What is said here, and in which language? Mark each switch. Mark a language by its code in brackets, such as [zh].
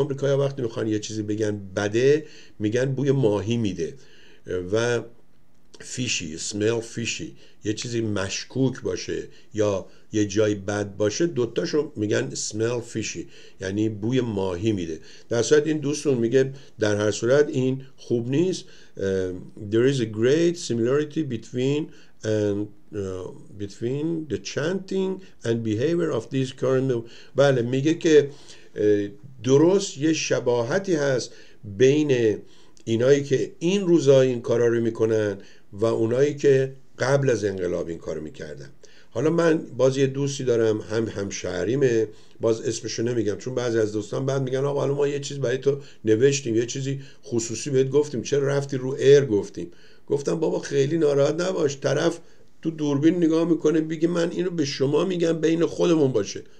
[fa] آمریکایی‌ها وقتی میخوان یه چیزی بگن بده میگن بوی ماهی میده و فیشی، [en] smell fishy، [fa] یه چیزی مشکوک باشه یا یه جای بد باشه، دوتاشو میگن smell fishy، یعنی بوی ماهی میده. در صورت این دوستون میگه در هر صورت این خوب نیست. [en] There is a great similarity between and between the chanting and behavior of these current. [fa] بله میگه که درست یه شباهتی هست بین اینایی که این روزا این کارا رو میکنن و اونایی که قبل از انقلاب این کارو میکردن. حالا من باز یه دوستی دارم، همشهریمه، باز اسمشو نمیگم چون بعضی از دوستان بعد میگن آقا حالا ما یه چیز برای تو نوشتیم، یه چیزی خصوصی بهت گفتیم، چرا رفتی رو ایر گفتیم؟ گفتم بابا خیلی ناراحت نباش، طرف تو دوربین نگاه میکنه بگه من اینو به شما میگم بین خودمون باشه.